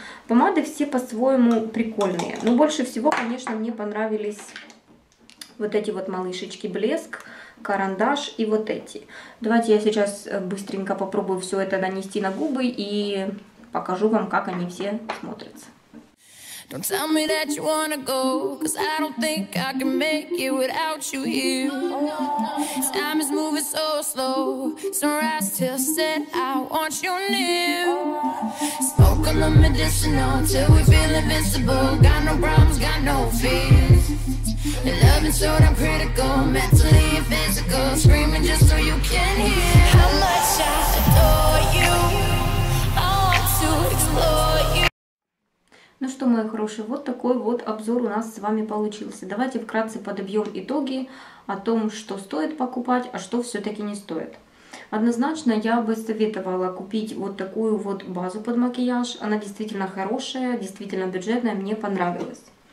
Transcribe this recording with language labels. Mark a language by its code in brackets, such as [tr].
[ru] Помады все по-своему прикольные. Но больше всего, конечно, мне понравились вот эти вот малышечки блеск, карандаш и вот эти. Давайте я сейчас быстренько попробую все это нанести на губы и покажу вам, как они все смотрятся. [en] Don't tell me that you wanna go, 'cause I don't think I can make it without you here. Time is moving so slow, sunrise till set, I want you near. Smoke on the medicinal till we feel invincible. Got no problems, got no fears. And loving so damn critical, mentally and physical. Screaming just so you can hear. How much I adore you, I want to explore you. [ru] Ну что, мои хорошие, вот такой вот обзор у нас с вами получился. Давайте вкратце подобьем итоги о том, что стоит покупать, а что все-таки не стоит. Однозначно я бы советовала купить вот такую вот базу под макияж. Она действительно хорошая, действительно бюджетная, мне понравилась.